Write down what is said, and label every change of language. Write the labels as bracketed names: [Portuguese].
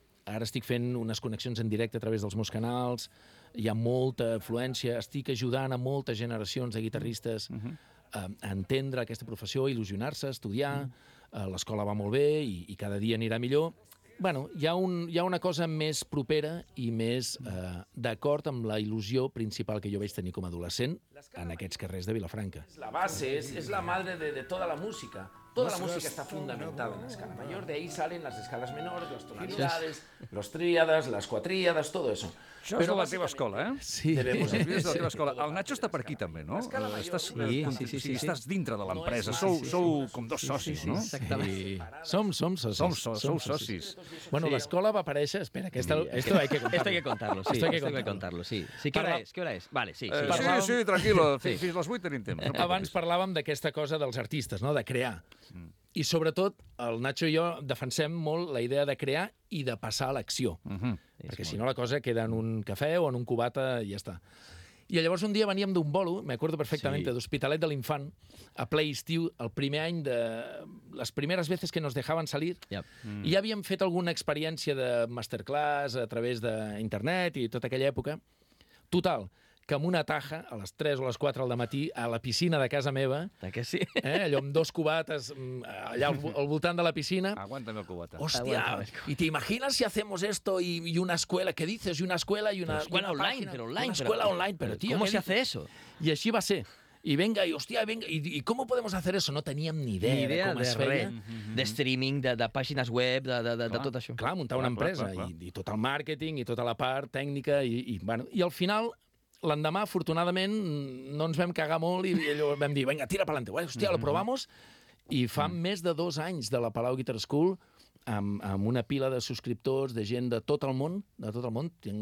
[Catalan] Ara estic fent unes connexions en directe a través dels meus canals, hi ha molta afluència, estic ajudant a moltes generacions de guitarristes a entendre aquesta professió, a il·lusionar-se, a estudiar, l'escola va molt bé i cada dia anirà millor... Bueno, hi ha una cosa més propera i més d'acord amb la il·lusió principal que jo vaig tenir com a adolescent en aquests carrers de Vilafranca. És la base, és la madre de tota la música. [Spanish] Toda la música está fundamentada en la escala mayor, de ahí salen las escalas menores, las tonalidades, los tríadas, las cuatríadas, todo eso. [Catalan] Això és de la teva escola, eh? Sí. De la teva escola. El Nacho està per aquí, també, no? Sí. Estàs dintre de l'empresa. Sou com dos socis, no? Sí. Som socis. Bueno, l'escola va aparèixer... [Spanish] Espera, que esto hay que contarlo. Esto hay que contarlo, sí. ¿Qué hora es? Vale, sí. [Catalan] Sí, [Spanish] tranquilo. [Catalan] Fins les 8 tenim temps. Abans parlàvem d'aquesta cosa dels artistes, no? De crear. I sobretot, el Nacho i jo defensem molt la idea de crear i de passar a l'acció. Perquè si no la cosa queda en un cafè o en un cubata i ja està. I llavors un dia veníem d'un bolo, m'acordo perfectament, d'Hospitalet de l'Infant, a ple estiu, el primer any de... [Spanish] les primeres veces que nos dejaban salir. Yep. [Catalan] I ja havíem fet alguna experiència de masterclass a través d'internet i tota aquella època. Total, que amb una taja, a les 3 o les 4 del matí, a la piscina de casa meva... Que sí? Allò amb dos cubates allà al voltant de la piscina... Aguanta'm el cubata. Hòstia, i t'imagines si [Spanish] hacemos esto y una escuela... ¿Qué dices? Y una escuela y una... Escuela online, pero online. Una escuela online, pero tío... ¿Cómo se hace eso? [Catalan] I així va ser. [Spanish] Y venga, y hostia, venga, ¿y cómo podemos hacer eso? [Catalan] No teníem ni idea de com es feia. De streaming, de pàgines web, de tot això. Clar, muntar una empresa, i tot el màrqueting, i tota la part tècnica, i bueno. I al final, l'endemà, afortunadament, no ens vam cagar molt i allò vam dir, [Spanish] venga, tira pa'lante, hostia, lo probamos. [Catalan] I fa més de 2 anys de la Palau Guitar School, amb una pila de subscriptors, de gent de tot el món, de tot el món.